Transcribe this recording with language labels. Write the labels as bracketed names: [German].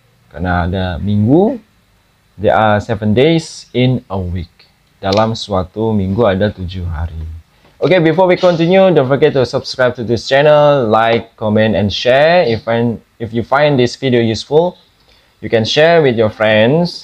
[Indonesian] Karena ada minggu, [English] there are 7 days in a week. [Indonesian] Dalam suatu minggu ada 7 hari. [English] Okay, before we continue, don't forget to subscribe to this channel, like, comment, and share. If you find this video useful, you can share with your friends.